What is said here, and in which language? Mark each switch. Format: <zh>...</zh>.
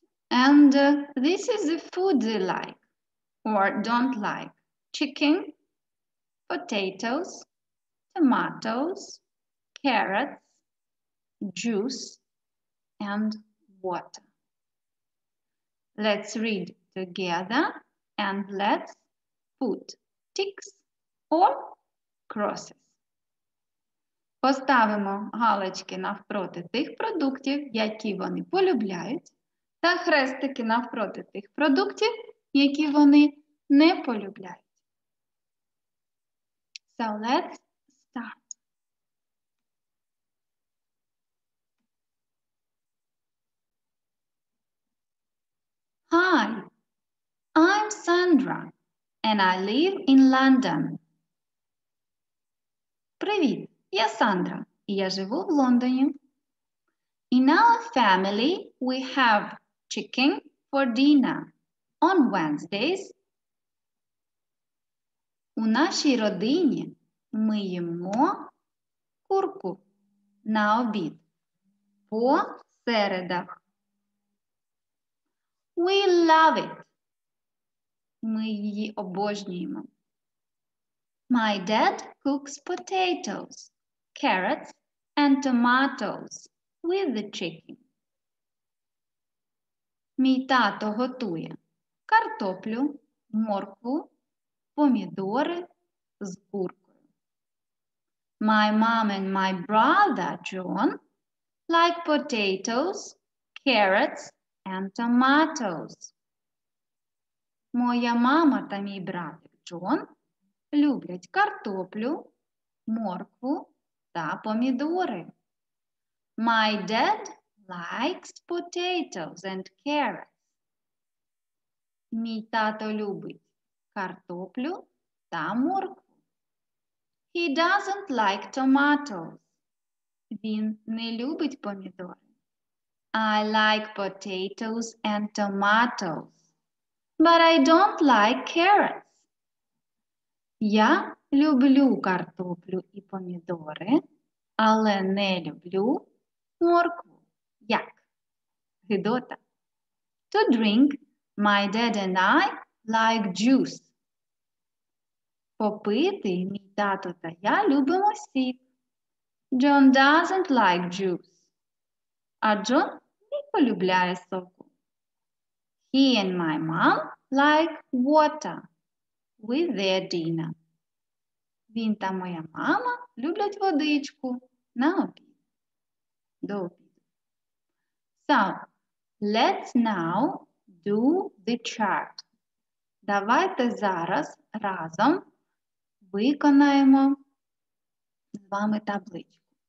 <en>And this is the food they like or don't like: chicken, potatoes, tomatoes, carrots, juice, and water. Let's read together and let's put ticks or crosses.</en> <uk>Поставимо галочки навпроти тих продуктів, які вони полюбляють, та хрестики навпроти тих продуктів, які вони не полюбляють.</uk> <en>So let's start. Hi, I'm Sandra and I live in London.</en> <uk>Привіт! Я Сандра, і я живу в Лондоні.</uk> <en>In our family, we have chicken for dinner on Wednesdays.</en> <uk>У нашій родині ми їмо курку на обід по середах.</uk> <en>We love it.</en> <uk>Ми її обожнюємо.</uk> <en>My dad cooks potatoes, carrots and tomatoes with the chicken.</en> <uk>Мій тато готує картоплю, моркву, помідори з куркою.</uk> <en>My mom and my brother John like potatoes, carrots and tomatoes.</en> <uk>Моя мама та мій братик Джон люблять картоплю, моркву та помідори.</uk> <en>My dad likes potatoes and carrots.</en> <uk>Мій тато любить картоплю та моркву.</uk> <en>He doesn't like tomatoes.</en> <uk>Він не любить помідори.</uk> <en>I like potatoes and tomatoes. But I don't like carrots.</en> <uk>Я люблю картоплю і помідори, але не люблю моркву. Як? Гидота.</uk> <en>To drink, my dad and I like juice.</en> <uk>Попити, мій тато та я любимо сік.</uk> <en>John doesn't like juice.</en> <uk>А Джон не полюбляє соку.</uk> <en>He and my mom like water with their dinner.</en> <uk>Він та моя мама люблять водичку на обід. До обіду.</uk> <en>So, let's now do the chart.</en> <uk>Давайте зараз разом виконаємо з вами табличку.</uk>